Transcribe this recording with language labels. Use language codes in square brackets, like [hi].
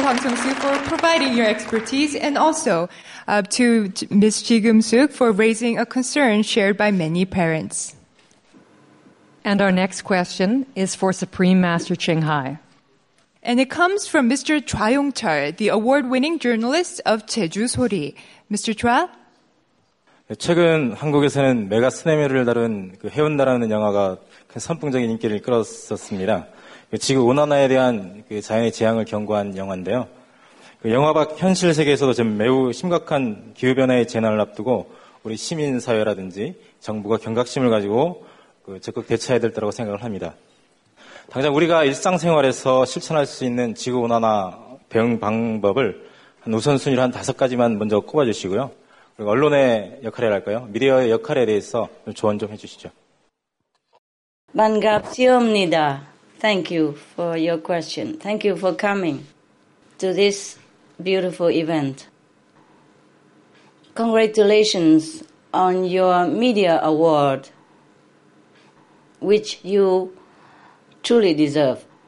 [en] Hwang Sung-soo, for providing your expertise and also to Ms. Ji Geum-suk for raising a concern shared by many parents. And our next question is for Supreme Master Ching Hai. And it comes from Mr. Chwa Yong-chul, the award-winning journalist of Jeju Sori. Mr. Chwa? [ko] 최근 한국에서는 메가 쓰나미를 다룬 그 해운다라는 영화가 큰 선풍적인 인기를 끌었었습니다. 지구 온난화에 대한 그 자연의 재앙을 경고한 영화인데요. 그 영화 밖 현실 세계에서도 지금 매우 심각한 기후변화의 재난을 앞두고 우리 시민사회라든지 정부가 경각심을 가지고 그 적극 대처해야 될 거라고 생각을 합니다. 당장 우리가 일상생활에서 실천할 수 있는 지구 온난화 대응 방법을 한 우선순위로 한 다섯 가지만 먼저 꼽아주시고요. 그리고 언론의 역할이랄까요? 미디어의 역할에 대해서 조언 좀 해주시죠. 반갑습니다. [en] Thank you for your question. Thank you for coming to this beautiful event. Congratulations on your media award, which you truly deserve.